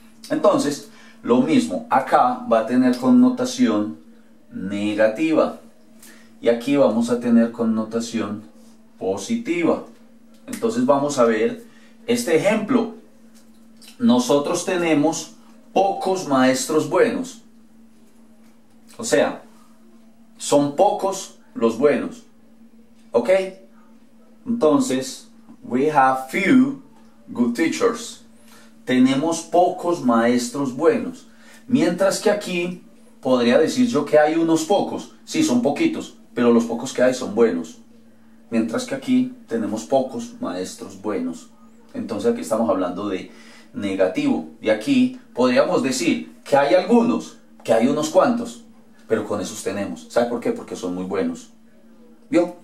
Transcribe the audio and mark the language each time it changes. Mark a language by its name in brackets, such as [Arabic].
[Spanish] Entonces, lo mismo, acá va a tener connotación negativa y aquí vamos a tener connotación positiva. Entonces vamos a ver este ejemplo. Nosotros tenemos pocos maestros buenos, o sea, son pocos los buenos, ¿ok? Entonces, [English] we have few good teachers. [Spanish] Tenemos pocos maestros buenos. Mientras que aquí podría decir yo que hay unos pocos. Sí, son poquitos, pero los pocos que hay son buenos. Mientras que aquí tenemos pocos maestros buenos. Entonces aquí estamos hablando de negativo. Y aquí podríamos decir que hay algunos, que hay unos cuantos, pero con esos tenemos. ¿Sabe por qué? Porque son muy buenos. ¿Vio?